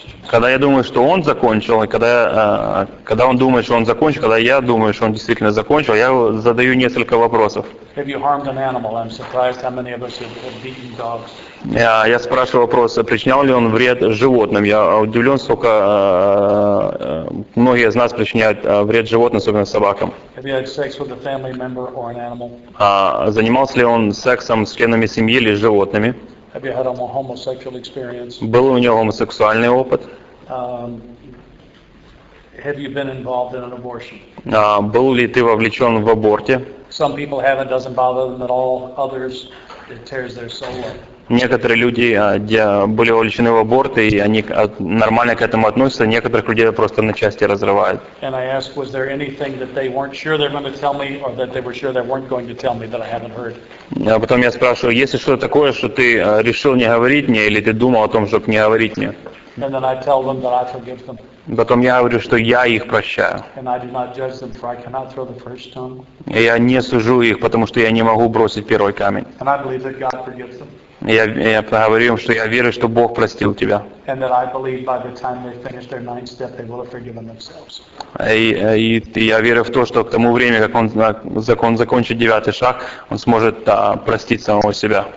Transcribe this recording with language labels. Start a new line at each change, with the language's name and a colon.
Russian: Когда я думаю, что он закончил, и когда он думает, что он закончил, когда я думаю, что он действительно закончил, я задаю несколько вопросов.
English: Have you harmed an animal? I'm surprised how many of us have beaten dogs.
Russian: Я спрашиваю вопрос, причинял ли он вред животным. Я удивлен, сколько многие из нас причиняют вред животным, особенно собакам.
English: Have you had sex with a family member or an animal?
Russian: Занимался ли он сексом с членами семьи или с животными?
English: Have you had a homosexual experience?
Russian: Был у него гомосексуальный опыт?
English: Have you been involved in an abortion?
Russian: Был ли ты вовлечен в аборте?
English: Some people have it, doesn't bother them at all. Others, it tears their soul up.
Russian: Некоторые люди были вовлечены в аборт, и они нормально к этому относятся. Некоторых людей просто на части разрывают.
English: And I asked, was there anything that they weren't sure they were going to tell me, or that they were sure they weren't going to tell me that I haven't heard?
Russian: А потом я спрашиваю, есть ли что-то такое, что ты решил не говорить мне, или ты думал о том, чтобы не говорить мне?
English: And then I tell them that I forgive them.
Russian: Потом я говорю, что я их прощаю.
English: And I do not judge them, for I cannot throw the first stone.
Russian: И я не сужу их, потому что я не могу бросить первый камень.
English: And I believe that God forgives them.
Russian: Я говорю им, что я верю, что Бог простил тебя.
English: And that I believe by the time they finish their ninth step, they will have forgiven themselves.
Russian: И я верю в то, что к тому времени, как он закончит девятый шаг, он сможет простить самого себя.